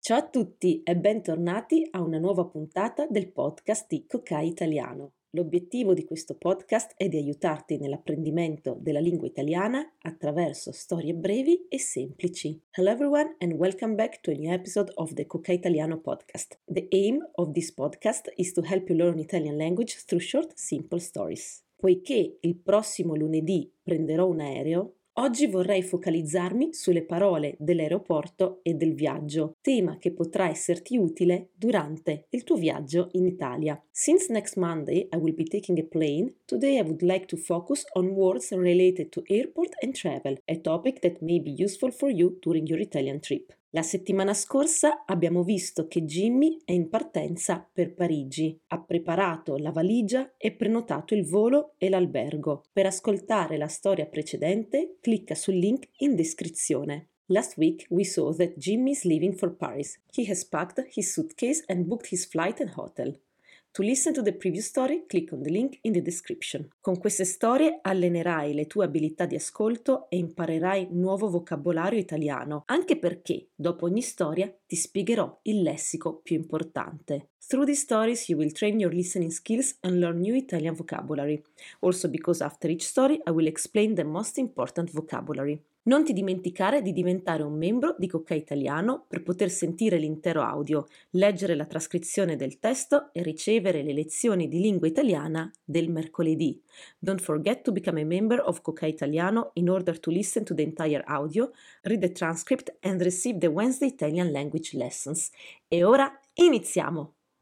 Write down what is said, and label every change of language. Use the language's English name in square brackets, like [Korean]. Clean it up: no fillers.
[Italian] Ciao a tutti e bentornati a una nuova puntata del podcast di Cocai Italiano. L'obiettivo di questo podcast è di aiutarti nell'apprendimento della lingua italiana attraverso storie brevi e semplici. [English] Hello everyone and welcome back to a new episode of the Cocai Italiano podcast. The aim of this podcast is to help you learn Italian language through short, simple stories. [Italian] Poiché il prossimo lunedì prenderò un aereo, oggi vorrei focalizzarmi sulle parole dell'aeroporto e del viaggio, tema che potrà esserti utile durante il tuo viaggio in Italia. [English] Since next Monday I will be taking a plane, today I would like to focus on words related to airport and travel, a topic that may be useful for you during your Italian trip. [Italian] La settimana scorsa abbiamo visto che Jimmy è in partenza per Parigi. Ha preparato la valigia e prenotato il volo e l'albergo. Per ascoltare la storia precedente, clicca sul link in descrizione. [English] Last week we saw that Jimmy is leaving for Paris. He has packed his suitcase and booked his flight and hotel. To listen to the previous story, click on the link in the description. [Italian] Con queste storie allenerai le tue abilità di ascolto e imparerai nuovo vocabolario italiano, anche perché dopo ogni storia ti spiegherò il lessico più importante. [English] Through these stories you will train your listening skills and learn new Italian vocabulary. Also because after each story I will explain the most important vocabulary. [Italian] Non ti dimenticare di diventare un membro di Cocai Italiano per poter sentire l'intero audio, leggere la trascrizione del testo e ricevere le lezioni di lingua italiana del mercoledì. [English] Don't forget to become a member of Cocai Italiano in order to listen to the entire audio, read the transcript and receive the Wednesday Italian language lessons. [Italian] E ora iniziamo!